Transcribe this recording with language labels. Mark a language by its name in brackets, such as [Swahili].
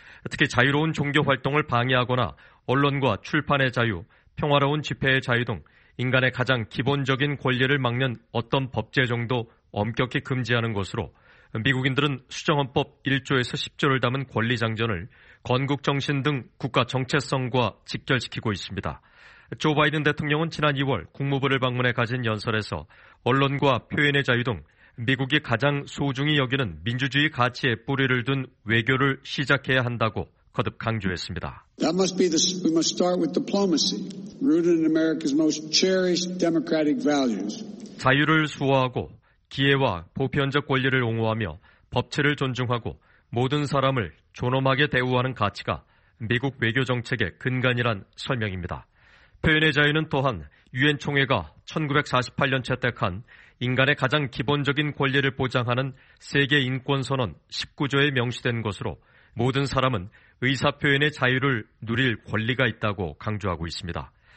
[Korean] 특히 자유로운 종교 활동을 방해하거나 언론과 출판의 자유, 평화로운 집회의 자유 등 인간의 가장 기본적인 권리를 막는 어떤 법제정도 엄격히 금지하는 것으로 미국인들은 수정헌법 1조에서 10조를 담은 권리장전을 건국정신 등 국가 정체성과 직결시키고 있습니다. 조 바이든 대통령은 지난 2월 국무부를 방문해 가진 연설에서 언론과 표현의 자유 등 미국이 가장 소중히 여기는 민주주의 가치에 뿌리를 둔 외교를 시작해야 한다고 거듭 강조했습니다. [English] That must be the, we must start with diplomacy, rooted in America's most cherished democratic values. [Korean] 자유를 수호하고 기회와 보편적 권리를 옹호하며 법치를 존중하고 모든 사람을 존엄하게 대우하는 가치가 미국 외교 정책의 근간이란 설명입니다. 표현의 자유는 또한 유엔 총회가 1948년 채택한 인간의 가장 기본적인 권리를 보장하는 세계 인권 선언 19조에 명시된 것으로 모든 사람은 의사표현의 자유를 누릴 권리가 있다고 강조하고 있습니다.